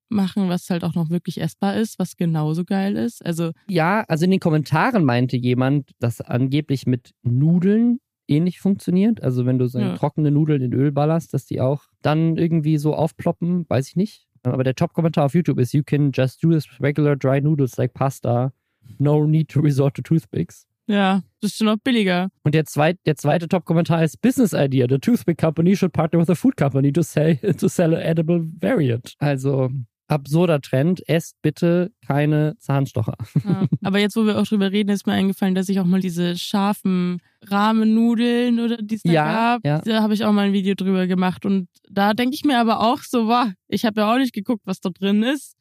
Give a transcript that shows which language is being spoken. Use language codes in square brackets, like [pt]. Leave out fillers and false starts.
[de] machen, was halt auch noch wirklich essbar ist, was genauso geil ist. Also ja, also in den Kommentaren meinte jemand, dass angeblich mit Nudeln ähnlich funktioniert. Also wenn du so trockene Nudeln in Öl ballerst, dass die auch dann irgendwie so aufploppen, weiß ich nicht. Aber der Top-Kommentar auf YouTube ist, [en] you can just do this with regular dry noodles like pasta. No need to resort to toothpicks. [de] Ja, das ist schon noch billiger. Und der zweite Top-Kommentar ist, [en] business idea. The toothpick company should partner with a food company to sell an edible variant. [de] Also, absurder Trend. Esst bitte keine Zahnstocher. Ja. Aber jetzt, wo wir auch drüber reden, ist mir eingefallen, dass ich auch mal diese scharfen Ramen-Nudeln oder die es da gab. Ja. Da habe ich auch mal ein Video drüber gemacht. Und da denke ich mir aber auch so, wow, ich habe ja auch nicht geguckt, was da drin ist.